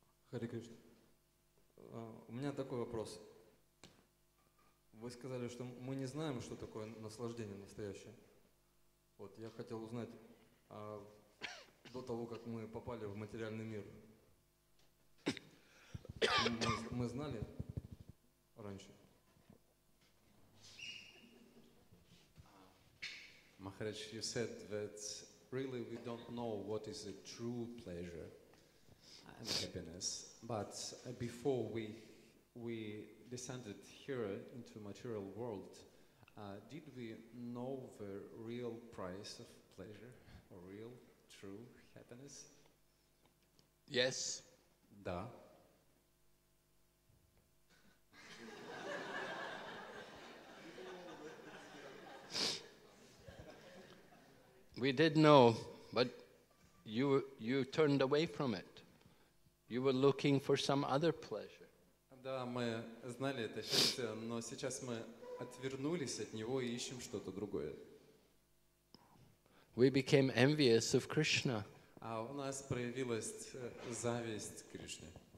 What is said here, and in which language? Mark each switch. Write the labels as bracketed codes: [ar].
[ru] Хари Кришна, у меня такой вопрос. Вы сказали, что мы не знаем, что такое наслаждение настоящее. Вот я хотел узнать, а до того, как мы попали в материальный мир, мы знали раньше? [en] Maharaj, you said that really we don't know what is a true pleasure and happiness, but before we descended here into material world, did we know the real price of pleasure or real true happiness? Yes. [ru] Да. [en] We did know, but you turned away from it. You were looking for some other pleasure. [ru] Да, мы знали это счастье, но сейчас мы отвернулись от него и ищем что-то другое. [en] We became envious of Krishna. [ru] А у нас проявилась зависть к Кришне.